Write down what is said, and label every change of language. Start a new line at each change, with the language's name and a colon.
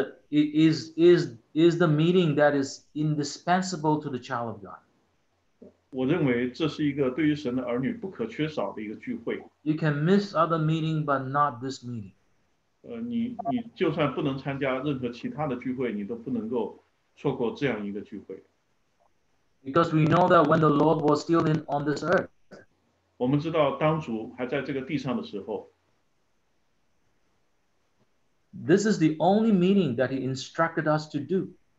English: Is the meeting that is indispensable to the child of God.
Chinese: 我认为这是一个对于神的儿女不可缺少的一个聚会。
English: You can miss other meetings, but not this meeting.
Chinese: 你就算不能参加任何其他的聚会，你都不能够错过这样一个聚会。
English: Because we know that when the Lord was still in on this earth,
Chinese: 我们知道当主还在这个地上的时候,
English: this is the only meeting that he instructed us to do.